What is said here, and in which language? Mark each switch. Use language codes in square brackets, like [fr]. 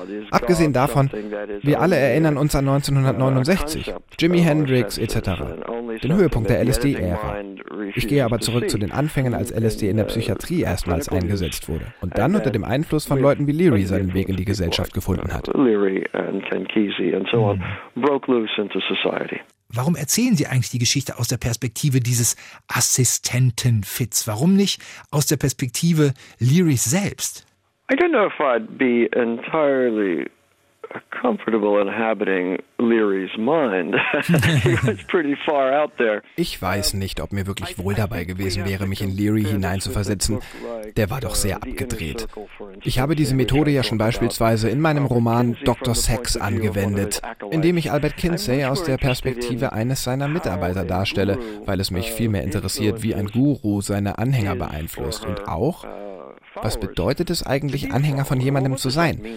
[de] Abgesehen davon, wir alle erinnern uns an 1969, Jimi Hendrix etc., den Höhepunkt der LSD-Ära. Ich gehe aber zurück zu den Anfängen, als LSD in der Psychiatrie erstmals eingesetzt wurde und dann unter dem Einfluss von Leuten wie Leary seinen Weg in die Gesellschaft gefunden hat. [en] Leary and Ken Kesey and so on broke loose into society. [de] Warum erzählen Sie eigentlich die Geschichte aus der Perspektive dieses Assistenten Fitz? Warum nicht aus der Perspektive Leary selbst? [en] I don't know if I'd be entirely comfortable inhabiting Leary's mind. He was pretty far out there. [de] Ich weiß nicht, ob mir wirklich wohl dabei gewesen wäre, mich in Leary hineinzuversetzen. Der war doch sehr abgedreht. Ich habe diese Methode ja schon beispielsweise in meinem Roman Dr. Sex angewendet, indem ich Albert Kinsey aus der Perspektive eines seiner Mitarbeiter darstelle, weil es mich vielmehr interessiert, wie ein Guru seine Anhänger beeinflusst und auch, was bedeutet es eigentlich, Anhänger von jemandem zu sein?